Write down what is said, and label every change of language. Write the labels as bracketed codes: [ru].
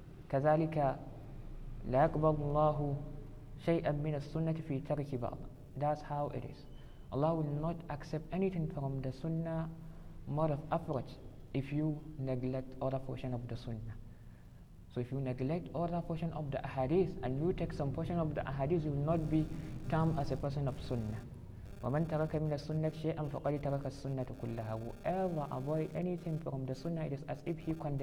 [ar] كذلك لا يقبل الله شيئا من السنة في ترك بعض. [en] That's how it is. Allah will not accept anything from the Sunnah mode of approach if you neglect other portion of the Sunnah. So if you neglect other portion of the Ahadith and you take some portion of the Ahadith, you will not be termed as a person of Sunnah. [ar] ومن ترك من السنة شيئا فقد ترك السنة كلها. [en] Whoever avoid anything from the sunnah, it is as if he condemned